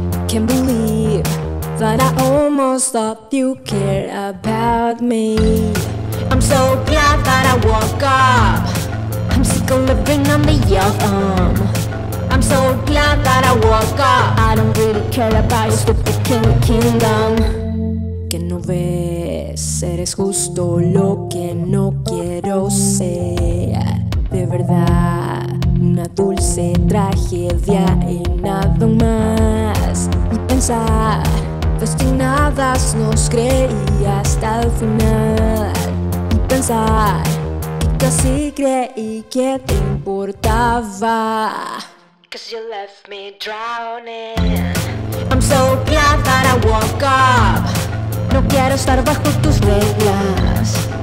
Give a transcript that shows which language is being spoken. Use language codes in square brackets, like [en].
[en] Can't believe that I almost thought you cared about me. I'm so glad that I woke up. I'm sick of living on the earth. I'm so glad that I woke up. I don't really care about your stupid kingdom. [es] Que no ves, eres justo lo que no quiero ser. De verdad, una dulce tragedia y nada más. Y pensar, destinadas nos creí hasta el final. Y pensar, que casi creí que te importaba. [en] Cause you left me drowning. I'm so glad that I woke up. [es] No quiero estar bajo tus reglas.